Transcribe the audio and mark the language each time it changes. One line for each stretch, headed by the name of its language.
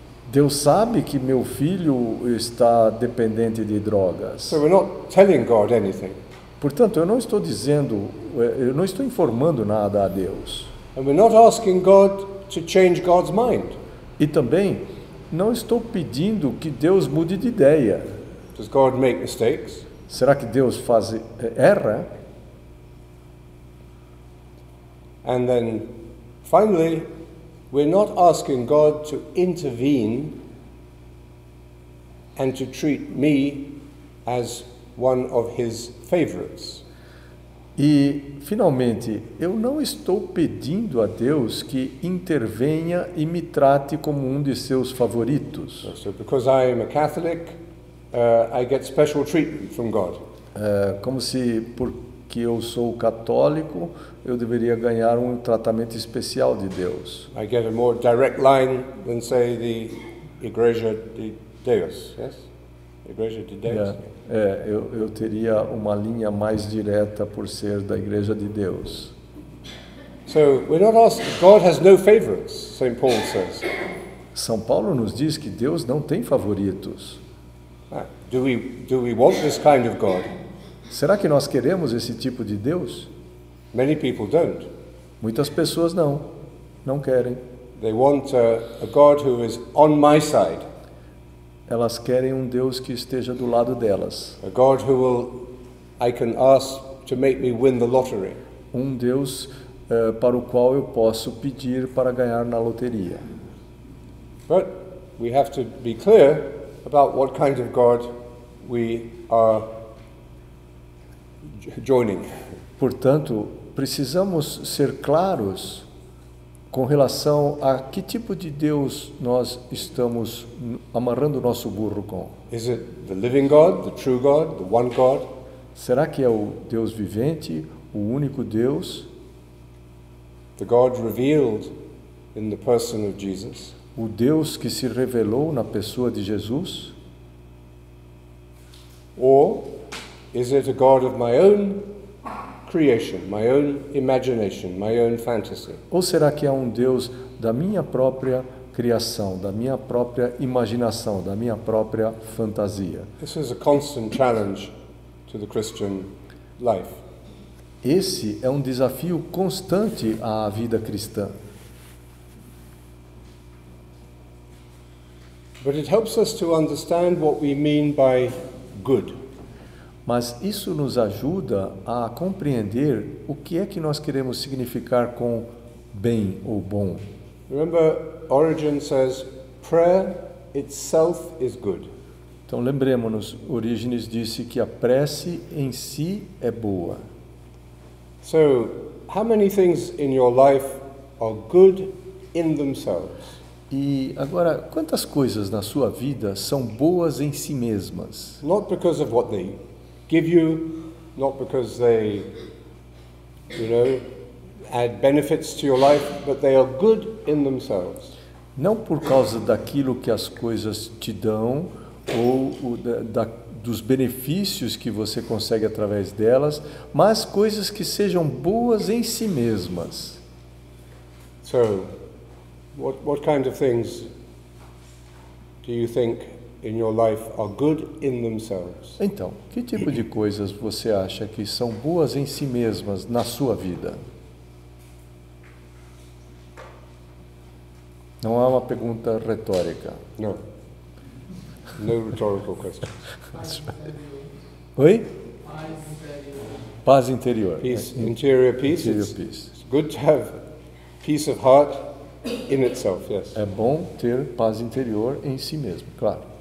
Portuguese: Deus sabe que meu filho está dependente de drogas.
English: So we're not telling God anything.
Portuguese: Portanto, eu não estou dizendo, eu não estou informando nada a Deus.
English: And we're not asking God to change God's mind.
Portuguese: E também não estou pedindo que Deus mude de ideia.
English: Does God make mistakes?
Portuguese: Será que Deus faz erra?
English: And then finally, we're not asking God to intervene and to treat me as one of his favorites.
Portuguese: E finalmente, eu não estou pedindo a Deus que intervenha e me trate como um de seus favoritos.
English: So because I am a Catholic, I get special treatment from God.
Portuguese: Como se porque eu sou católico, eu deveria ganhar um tratamento especial de Deus.
English: I get a more direct line than say the Igreja de Deus. Yes? Igreja de Deus. Yeah.
Portuguese: Eu teria uma linha mais direta por ser da Igreja de Deus.
English: So, we're not asked, God has no favorites, St. Paul says.
Portuguese: São Paulo nos diz que Deus não tem favoritos.
English: Do we want this kind of God?
Portuguese: Será que nós queremos esse tipo de Deus?
English: Many people don't.
Portuguese: Muitas pessoas não querem.
English: They want a God who is on my side.
Portuguese: Elas querem um Deus que esteja do lado delas.
English: A God who will I can ask to make me win the lottery.
Portuguese: Um Deus para o qual eu posso pedir para ganhar na loteria.
English: But we have to be clear about what kind of God we are joining.
Portuguese: Portanto, precisamos ser claros com relação a que tipo de Deus nós estamos amarrando o nosso burro com.
English: Is it the living God, the true God, the one God?
Portuguese: Será que é o Deus vivente, o único Deus?
English: The God revealed in the person of Jesus.
Portuguese: O Deus que se revelou na pessoa de Jesus?
English: Or is it a God of my own creation, my own imagination, my own fantasy?
Portuguese: Ou será que é um Deus da minha própria criação, da minha própria imaginação, da minha própria fantasia?
English: This is a constant challenge to the Christian life.
Portuguese: Esse é um desafio constante à vida cristã.
English: But it helps us to understand what we mean by good.
Portuguese: Mas isso nos ajuda a compreender o que é que nós queremos significar com bem ou bom.
English: Remember, Origen says, prayer itself is good.
Portuguese: Então lembremos-nos, Orígenes disse que a prece em si é boa.
English: So, how many things in your life are good in themselves?
Portuguese: E agora, quantas coisas na sua vida são boas em si mesmas?
English: Not because of what they give you, not because they, you know, add benefits to your life, but they are good in themselves.
Portuguese: Não por causa daquilo que as coisas te dão ou dos benefícios que você consegue através delas, mas coisas que sejam boas em si mesmas.
English: So, what kind of things do you think in your life are good in themselves?
Portuguese: Então, que tipo de coisas você acha que são boas em si mesmas na sua vida? Não é uma pergunta retórica.
English: No. No rhetorical question.
Portuguese: Oi? Paz interior.
English: Peace, interior peace. Interior peace. It's good to have peace of heart in itself, yes.
Portuguese: É bom ter paz interior em si mesmo, claro.